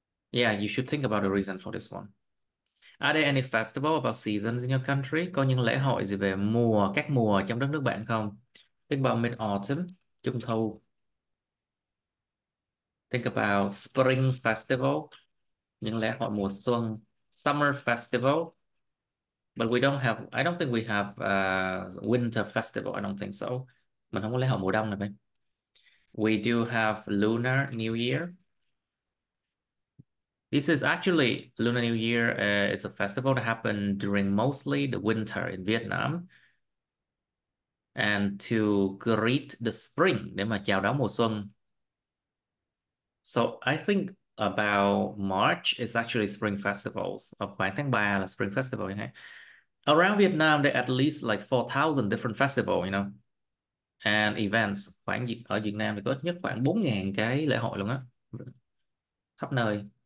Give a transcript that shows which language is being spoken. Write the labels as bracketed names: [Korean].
[English] Yeah, you should think about a reason for this one. Are there any festival about seasons in your country? [Vietnamese] Có những lễ hội gì về mùa, các mùa trong đất nước bạn không? [English] Think about mid-autumn, trung thu. Think about spring festival, [Vietnamese] những lễ hội mùa xuân, [English] summer festival. But we don't have, I don't think we have a winter festival, I don't think so. [Vietnamese] Mình không có lễ hội mùa đông nào bên. [English] We do have Lunar New Year. This is actually Lunar New Year. It's a festival that happened during mostly the winter in Vietnam. And to greet the spring, [Vietnamese] để mà chào đón mùa xuân. [English] So I think about March is actually spring festivals. [Vietnamese] Khoảng tháng 3 là spring festival. [English] Okay? Around Vietnam, there are at least like 4,000 different festivals, you know, and events. [Vietnamese] Khoảng ở Việt Nam thì có ít nhất khoảng 4,000 cái lễ hội luôn á, khắp nơi.